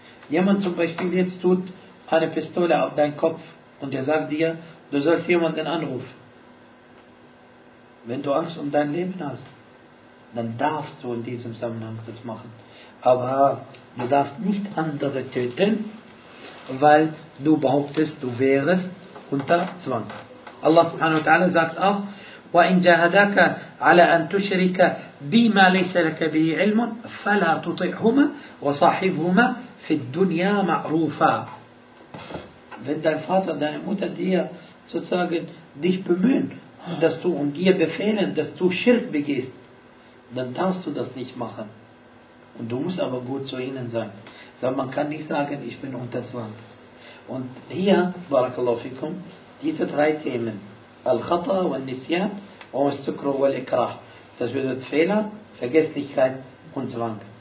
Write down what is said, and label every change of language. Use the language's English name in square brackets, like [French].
[German] Jemand zum Beispiel jetzt tut eine Pistole auf deinen Kopf und er sagt dir, du sollst jemanden anrufen. Wenn du Angst um dein Leben hast, dann darfst du in diesem Zusammenhang das machen. Aber du darfst nicht andere töten, weil du behauptest, du wärst unter Zwang. Allah subhanahu wa ta'ala sagt auch, [Arabic] وَإِنْ جَاهَدَكَ عَلَىٰ أَنْ تُشْرِكَ بِمَا لَيْسَ لَكَ بِهِ عِلْمٌ فَلَا تُطِعْهُمَا وَصَاحِبْهُمَا فِي الدُّنْيَا مَعْرُوفًا. [German] Wenn dein Vater, deine Mutter dir sozusagen dich bemühen, dass du und dir befehlen, dass du Schirk begehst, dann darfst du das nicht machen. Und du musst aber gut zu ihnen sein. Sondern man kann nicht sagen, ich bin unter Zwang. Und hier, barakallahu fikum, diese drei Themen, Al-Khata, Al-Nisyan, Al-Sukru, Al-Ikrah, das bedeutet Fehler, Vergesslichkeit und Zwang.